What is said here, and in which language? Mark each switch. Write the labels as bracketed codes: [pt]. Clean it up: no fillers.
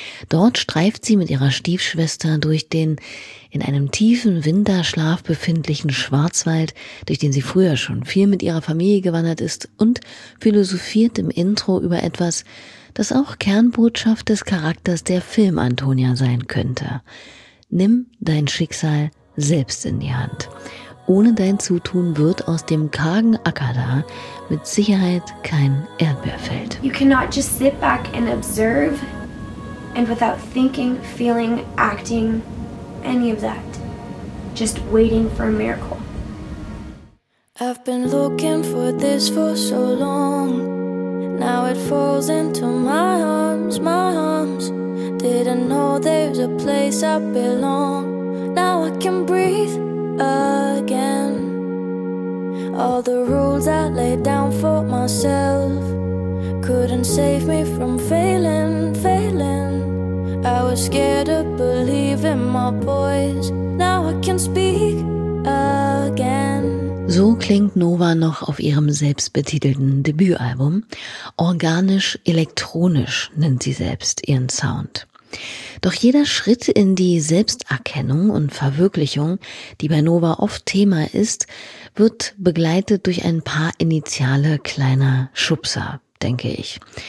[de] Dort streift sie mit ihrer Stiefschwester durch den in einem tiefen Winterschlaf befindlichen Schwarzwald, durch den sie früher schon viel mit ihrer Familie gewandert ist, und philosophiert im Intro über etwas, das auch Kernbotschaft des Charakters der Film-Antonia sein könnte. Nimm dein Schicksal selbst in die Hand. Ohne dein Zutun wird aus dem kargen Acker da mit Sicherheit kein Erdbeerfeld. [en] You cannot just sit back and observe and without thinking, feeling, acting, any of that. Just waiting for a miracle. I've been looking for this for so long. Now it falls into my arms, my arms. Didn't know there's a place I belong. Now I can breathe again. All the rules I laid down for myself couldn't save me from failing, failing. I was scared of believing my voice. Now I can speak again. [de] So klingt Nova noch auf ihrem selbstbetitelten Debütalbum. Organisch-elektronisch nennt sie selbst ihren Sound. Doch jeder Schritt in die Selbsterkennung und Verwirklichung, die bei Nova oft Thema ist, wird begleitet durch ein paar initiale kleiner Schubser, denke ich.